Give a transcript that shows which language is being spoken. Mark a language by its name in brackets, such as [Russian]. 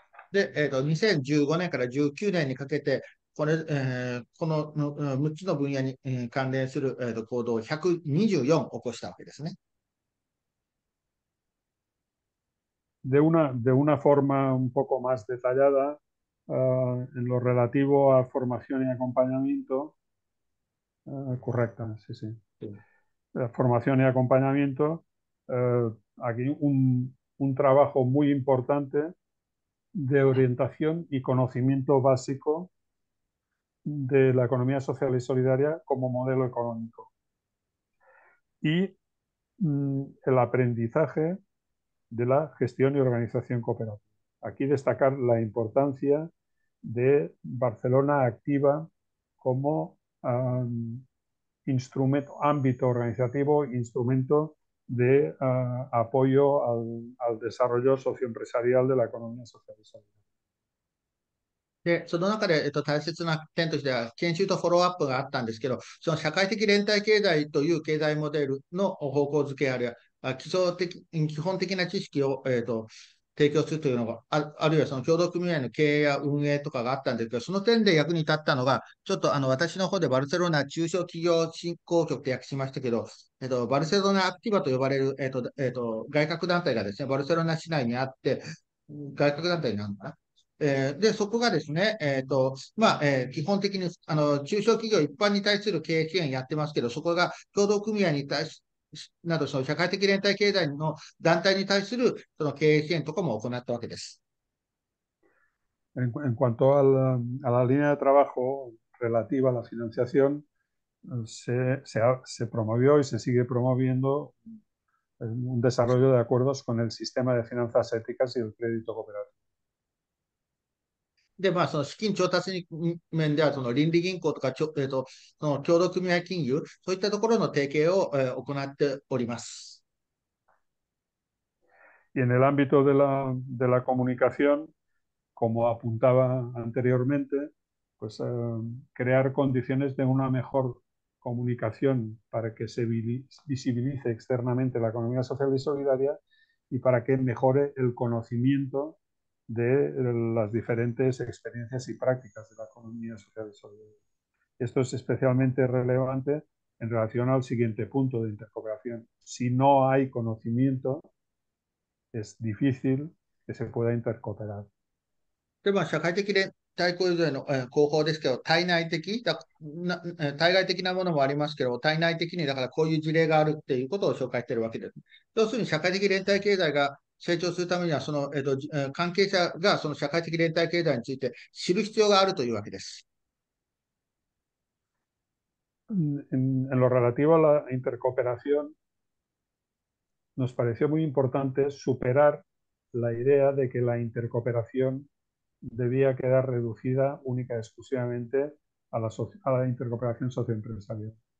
[Japanese] で、2015年から19年にかけて、この6つの分野に関連する行動を124起こしたわけですね。 [Spanish] De una forma un poco más detallada, en lo relativo a formación y acompañamiento, correcta, sí. Formación y acompañamiento, aquí un trabajo muy importante de orientación y conocimiento básico de la economía social y solidaria como modelo económico. Y el aprendizaje de la gestión y organización cooperativa. Aquí destacar la importancia de Barcelona Activa como instrumento, ámbito organizativo, instrumento de apoyo al desarrollo socioempresarial de la economía social y solidaria. [Japanese] で、その中で、大切な点としては、研修とフォローアップがあったんですけど、その社会的連帯経済という経済モデルの方向づけ、あるいは基本的な知識を、提供するというのが、あるいはその協同組合の経営や運営とかがあったんですけど、その点で役に立ったのが、ちょっと私の方でバルセロナ中小企業振興局と訳しましたけど、バルセロナアクティバと呼ばれる、外郭団体がですね、バルセロナ市内にあって、外郭団体なのかな。で、そこがですね、基本的に中小企業一般に対する経営支援やってますけど、そこが協同組合に対し、など、その社会的連帯経済の団体に対するその経営支援とかも行ったわけです。 [Spanish] En cuanto a la línea de trabajo relativa a la financiación, se promovió y se sigue promoviendo un desarrollo de acuerdos con el sistema de finanzas éticas y el crédito cooperativo. [Japanese] で、その資金調達面では、その倫理銀行とかその協同組合金融、そういったところの提携を、行っております。 [Spanish] Y en el ámbito de la comunicación, como apuntaba anteriormente, pues crear condiciones de una mejor comunicación para que se visibilice externamente la economía social y solidaria y para que mejore el conocimiento de las diferentes experiencias y prácticas de la economía social y solidaria. Esto es especialmente relevante en relación al siguiente punto de intercooperación. Si no hay conocimiento, es difícil que se pueda intercooperar. [Japanese] で、社会的連帯構造への広報ですけど、対外的なものもありますけど、対内的に、だからこういう事例があるっていうことを紹介しているわけです。要するに、社会的連帯経済が成長するためには、関係者がその社会的連帯経済について知る必要があるというわけです。 En lo relativo a la intercooperación, nos pareció muy importante superar la idea de que la intercooperación debía quedar reducida única y exclusivamente a la intercooperación socioempresarial.